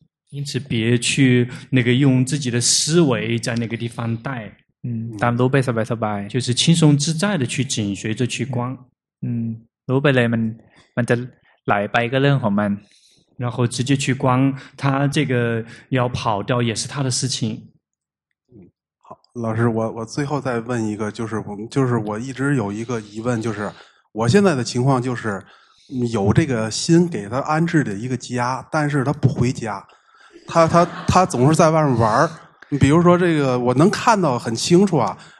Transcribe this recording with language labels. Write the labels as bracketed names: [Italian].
[Chinese] 因此别去那个用自己的思维在那个地方带 [Thai] ตามรู้ไปสบายสบาย [Chinese] 就是轻松自在的去紧随着去观 [Thai] รู้ไปเลยมันจะไหลไปก็เรื่องของมัน [Chinese] 然后直接去观他这个要跑掉也是他的事情老师我最后再问一个就是我一直有一个疑问就是我现在的情况就是有这个心给他安置的一个家但是他不回家他总是在外面玩儿比如说这个我能看到很清楚啊